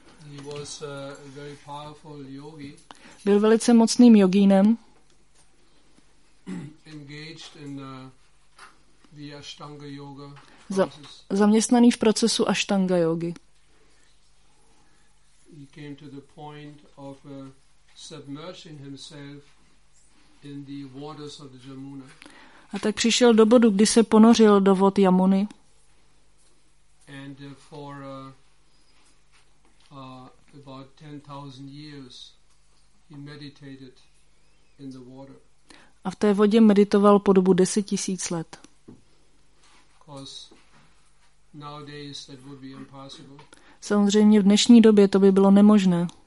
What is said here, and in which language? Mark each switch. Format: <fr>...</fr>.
<en>He was a very powerful yogi.</en> <cs>Byl velice mocným jogínem.</cs> <en>Engaged in the Ashtanga yoga.</en> <cs>Zaměstnaný v procesu Ashtanga yogi.</cs> <en>He came to the point of submerging himself in the waters of the Yamuna.</en> <cs>A tak přišel do bodu, kdy se ponořil do vod Yamuny.</cs> <en>And for about 10,000 years he meditated in the water.</en> <cs>A v té vodě meditoval po dobu 10,000 let.</cs> <en>Because nowadays that would be impossible.</en> <cs>Samozřejmě v dnešní době to by bylo nemožné.</cs>